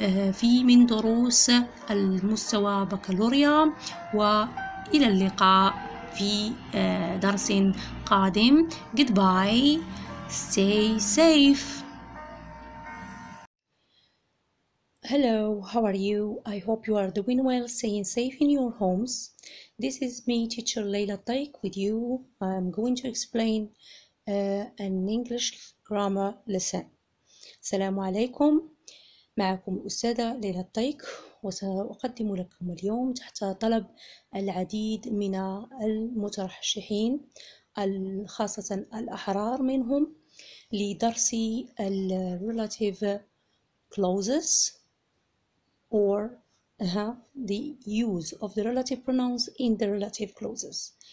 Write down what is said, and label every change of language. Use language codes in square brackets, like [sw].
[ar] في من دروس المستوى بكالوريا وإلى اللقاء في درس قادم [en] Goodbye Stay safe Hello, how are you? I hope you are doing well, staying safe in your homes. This is me, teacher Leila Taik, with you. I'm going to explain an English grammar lesson. [ar] السلام عليكم. معكم الأستاذة ليلى الطيك وسأقدم لكم اليوم تحت طلب العديد من المترشحين خاصة الأحرار منهم لدرس الـ [en] relative clauses or the use of the relative pronouns in the relative clauses.